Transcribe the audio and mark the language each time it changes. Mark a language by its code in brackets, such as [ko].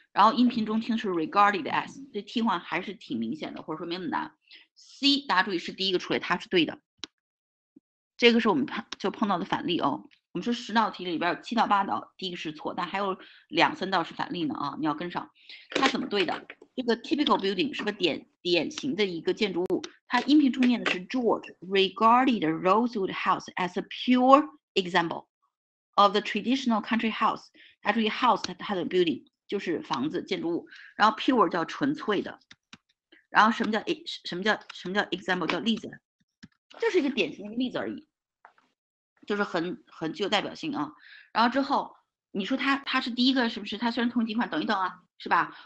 [zh] 然后音频中听是 [en] regarded as， [zh] 这替换还是挺明显的，或者说没那么难。 C 大家注意是第一个出来，它是对的，这个是我们就碰到的反例哦。我们说十道题里边有七到八道第一个是错，但还有两三道是反例呢啊，你要跟上。它怎么对的？这个 [en] typical building [zh] 是个典型的一个建筑物，它音频中念的是 [en] George regarded the Rosewood House as a pure example of the traditional country house。 [zh] 大家注意 house 它的 building 就是房子建筑物，然后 pure 叫纯粹的，然后什么叫 example 叫例子，就是一个典型的例子而已，就是很具有代表性啊。然后之后你说他是第一个是不是？他虽然同一情况，等一等啊，是吧？